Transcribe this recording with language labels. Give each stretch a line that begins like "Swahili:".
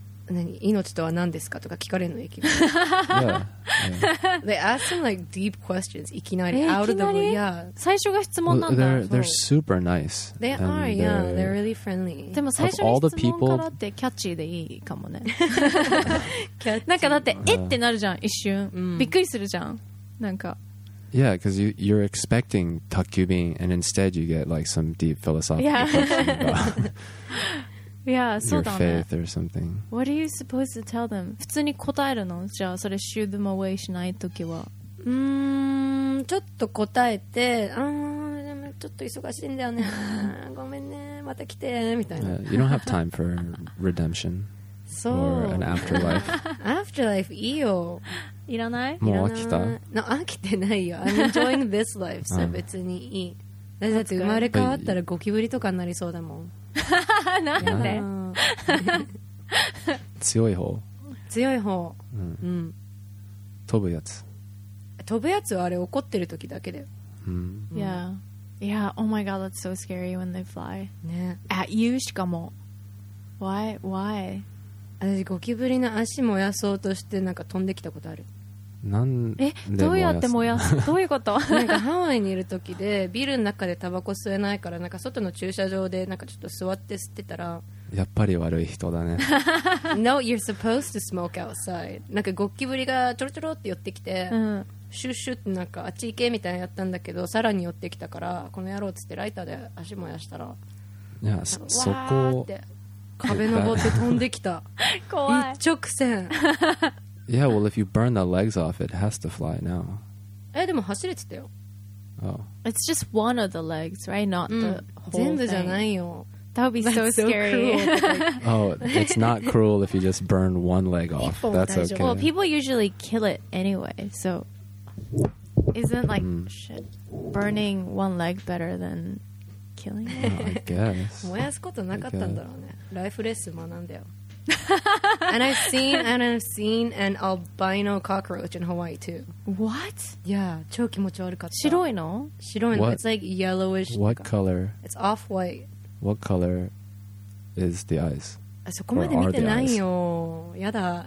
Japanese: 何命とは何ですかとか聞かれるのいきなり
English: They ask some like deep questions
Japanese: いきなり、
English: out of the way、yeah.
Japanese: 最初が質問なんだ
English: They're super nice They are, they're, yeah They're really friendly
Japanese: でも最初が質問からってキャッチーでいいかもねなんかだってえってなるじゃん一瞬、びっくりするじゃんなんか
English: Yeah, because you're expecting Takubin, and instead you get like some deep philosophical question about yeah, your faith or something. What are you supposed to tell them?
Japanese: 普通に答えるの？じゃあそれ
English: shoo them away
Japanese: しないときは。ちょっと答えて、でもちょっと忙しいんだよね。ごめんね、また来てみたいな。
English: You don't have time for redemption. So, or an afterlife,
Japanese: いいよ。いらない？もう飽きた？
English: No,
Japanese: 飽きてないよ。
English: I'm enjoying this life, so
Japanese: 別にいい。だって生まれ変わったらゴキブリとかになりそうだもん。なんで？強い方。強い方。うん。飛ぶやつ。飛ぶやつはあれ怒ってる時だけだよ。
English: Yeah. Yeah. Oh my god, that's so scary when they fly.
Japanese: ね。
English: At you
Japanese: しかも。
English: Why? Why?
Japanese: 私ゴキブリの足燃やそうとしてなんか飛んできたことある。なんでどうやって燃やすどういうこと？なんかハワイにいる時でビルの中でタバコ吸えないからなんか外の駐車場でなんかちょっと座って吸ってたら。やっぱり悪い人だね。
English: No, you're supposed to smoke outside。
Japanese: なんかゴキブリがちょろちょろって寄ってきて、シュッシュッってなんかあっち行けみたいなやったんだけど、さらに寄ってきたから、この野郎っつってライターで足燃やしたら、いや、そこを壁登って飛んできた怖い一直線
English: Yeah, well, if you burn the legs off, it has to fly now.
Japanese: え、でも走れてたよ。
English: Oh. It's just one of the legs, right? Not、うん、the whole
Japanese: 全部じゃないよ。
English: That would be so, so scary. Oh, it's not cruel if you just burn one leg off. That's okay. Well, people usually kill it anyway, so isn't like、mm. shit, burning one leg better than killing it? I guess.
Japanese: 燃やすことなかったんだろうね。ライフレッスン学んだよ。
English: And I've seen an albino cockroach in Hawaii too. What?
Japanese: Yeah, 超気持ち悪かった。白いの？白いの。
English: It's like yellowish. What color? It's off white. What color is the eyes?
Japanese: そこまで見てないよ。やだ。